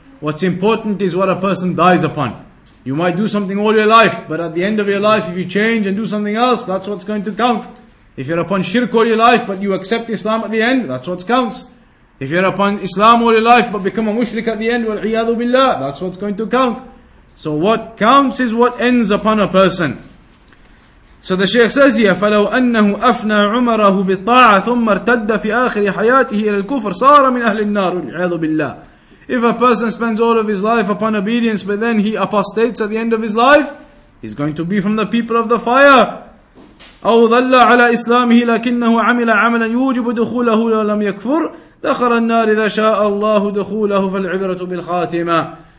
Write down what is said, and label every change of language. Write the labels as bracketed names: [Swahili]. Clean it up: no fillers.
[English] What's important is what a person dies upon. You might do something all your life, but at the end of your life, if you change and do something else, that's what's going to count. If you're upon shirk all your life, but you accept Islam at the end, that's what counts. If you're upon Islam all your life, but become a mushrik at the end, [Arabic] وَالْعِيَاذُ بِاللَّهِ, [English] that's what's going to count. So what counts is what ends upon a person. So the Shaykh says here, [Arabic] فَلَوْ أَنَّهُ أَفْنَى عُمَرَهُ بِالطَّاعَ ثُمَّ ارْتَدَّ فِي آخِرِ حَيَاتِهِ إِلَى الْكُفْرِ صَارَ مِنْ أَهْلِ النَّارِ وَالْعِيَاذُ بِاللَّهِ. [English] If a person spends all of his life upon obedience, but then he apostates at the end of his life, he's going to be from the people of the fire. [Arabic] أَوْ ظَلَّ عَلَى إِسْلَامِهِ لَكِنَّهُ عَمِلَ عَمَلًا يُوجِبُ دُخُولَهُ لَوْلَمْ يَكْفُرْ دَخَرَ النَّارِ إِذَا شَاءَ اللَّهُ دُخُولَهُ فَالْعِبْرَةُ بِالْخَاتِمَةِ.